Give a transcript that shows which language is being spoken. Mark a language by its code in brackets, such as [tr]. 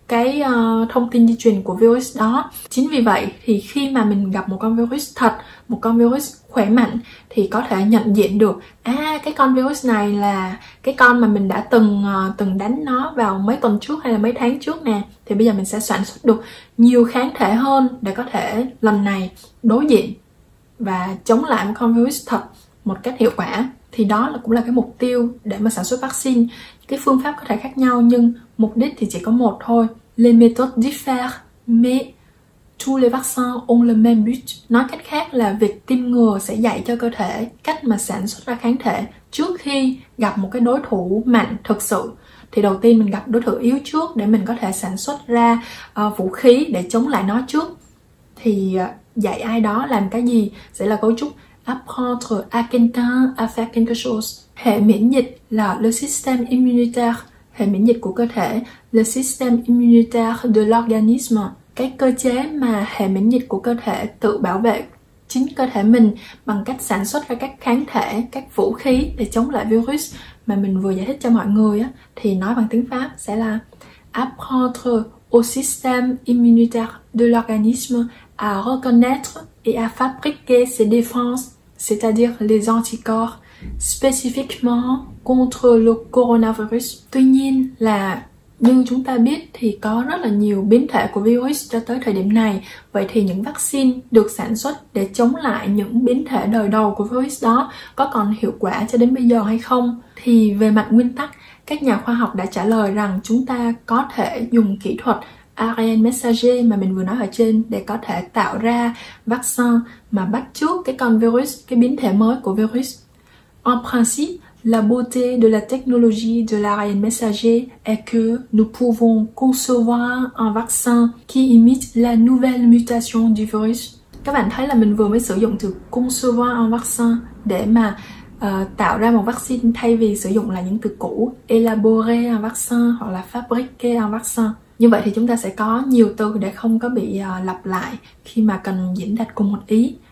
[vi] cái thông tin di truyền của virus đó. Chính vì vậy thì khi mà mình gặp một con virus thật, một con virus khỏe mạnh, thì có thể nhận diện được cái con virus này là cái con mà mình đã từng đánh nó vào mấy tuần trước hay là mấy tháng trước nè, thì bây giờ mình sẽ sản xuất được nhiều kháng thể hơn để có thể lần này đối diện và chống lại con virus thật một cách hiệu quả. Thì đó là cũng là cái mục tiêu để mà sản xuất vaccine. Cái phương pháp có thể khác nhau nhưng mục đích thì chỉ có một thôi. [fr] Les méthodes diffèrent, mais tous les vaccins ont le même but. [vi] Nói cách khác là việc tiêm ngừa sẽ dạy cho cơ thể cách mà sản xuất ra kháng thể trước khi gặp một cái đối thủ mạnh thực sự. Thì đầu tiên mình gặp đối thủ yếu trước để mình có thể sản xuất ra vũ khí để chống lại nó trước. Thì dạy ai đó làm cái gì sẽ là cấu trúc [fr] apprendre à quelqu'un à faire quelque chose. [vi] Hệ miễn dịch là le système immunitaire, hệ miễn dịch của cơ thể, [fr] le système immunitaire de l'organisme, [vi] cái cơ chế mà hệ miễn dịch của cơ thể tự bảo vệ chính cơ thể mình bằng cách sản xuất ra các kháng thể, các vũ khí để chống lại virus mà mình vừa giải thích cho mọi người á, thì nói bằng tiếng Pháp sẽ là [fr] apprendre au système immunitaire de l'organisme à reconnaître et à fabriquer ses défenses, c'est-à-dire les anticorps, spécifiquement contre le coronavirus. [vi] Tuy nhiên là như chúng ta biết thì có rất là nhiều biến thể của virus cho tới thời điểm này. Vậy thì những vaccine được sản xuất để chống lại những biến thể đời đầu của virus đó có còn hiệu quả cho đến bây giờ hay không? Thì về mặt nguyên tắc, các nhà khoa học đã trả lời rằng chúng ta có thể dùng kỹ thuật ARN messenger mà mình vừa nói ở trên để có thể tạo ra vaccine mà bắt chước cái con virus, cái biến thể mới của virus. [fr] En principe, la beauté de la technologie de l'ARN messenger est que nous pouvons concevoir un vaccin qui imite la nouvelle mutation du virus. [vi] Các bạn thấy là mình vừa mới sử dụng từ [fr] concevoir un vaccin [vi] để mà tạo ra một vaccine thay vì sử dụng là những từ cũ [fr] élaborer un vaccin [vi] hoặc là [fr] fabriquer un vaccin. [vi] Như vậy thì chúng ta sẽ có nhiều từ để không có bị lặp lại khi mà cần diễn đạt cùng một ý.